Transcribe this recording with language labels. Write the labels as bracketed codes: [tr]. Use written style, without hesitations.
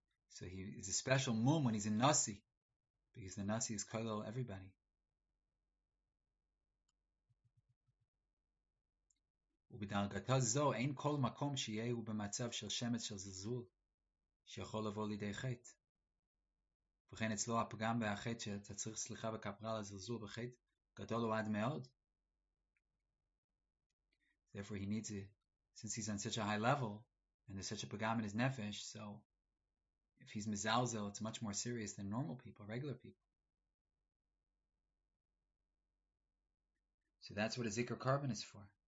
[en] So he is a special mum when he's a nasi, because the nasi is kolel everybody. [he] ובדרגתה זו אין כל מקום שיהיה הוא במצב של שמץ של זלזול שיכול לבוא לידי חטא. וכן אצלו הפגם והחטא שאתה צריך סליחה וכפרה לזלזול בחטא גדול הוא עד מאוד. [en] Therefore he needs it, since he's on such a high level and there's such a pagam in his nefesh, so if he's mezalzel, it's much more serious than normal people, regular people. So that's what a zikr carbon is for.